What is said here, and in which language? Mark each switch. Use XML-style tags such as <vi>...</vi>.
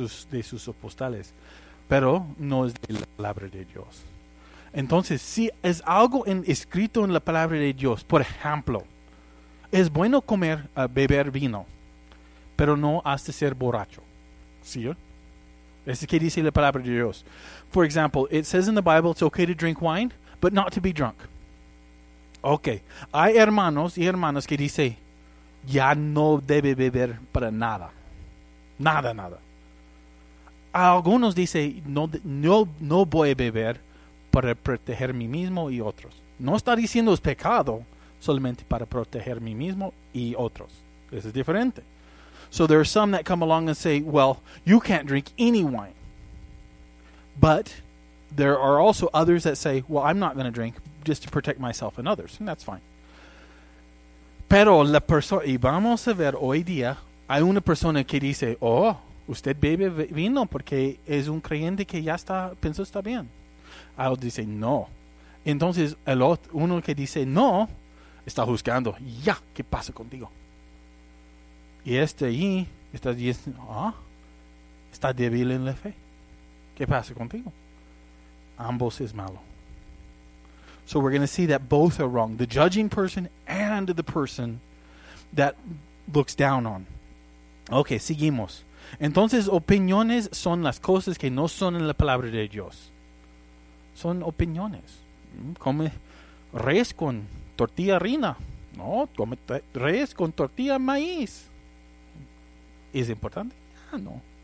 <es>De sus apostales. Pero no es de la palabra de Dios. Entonces, si es algo escrito en la palabra de Dios, por ejemplo, es bueno comer, beber vino, pero no has de ser borracho. ¿Sí? Eso es que dice la palabra de Dios.</es> <en>For example, it says in the Bible it's okay to drink wine, but not to be drunk. Okay.</en> <es>Hay hermanos y hermanas que dice ya no debe beber para nada. Nada, nada. Algunos dice no voy a beber para proteger a mí mismo y otros. No está diciendo es pecado, solamente para proteger a mí mismo y otros. Eso es diferente.</es> <en>So there are some that come along and say, well, you can't drink any wine. But there are also others that say, well, I'm not going to drink just to protect myself and others. And that's fine.</en> <es>Pero la persona, y vamos a ver hoy día, hay una persona que dice, oh, usted bebe vino porque es un creyente que ya está, pensó está bien. Otro dice, no. Entonces, el otro, uno que dice, no, está juzgando. Ya, ¿qué pasa contigo? Y este ahí está diciendo, ah, está débil en la fe. ¿Qué pasa contigo? Ambos es malo.</es> <en>So we're going to see that both are wrong. The judging person and the person that looks down on.</en> <es>Okay, seguimos. Entonces, opiniones son las cosas que no son en la palabra de Dios. Son opiniones. Come res con tortilla harina. No, come res con tortilla maíz. ¿Es importante? Ah, no.</es>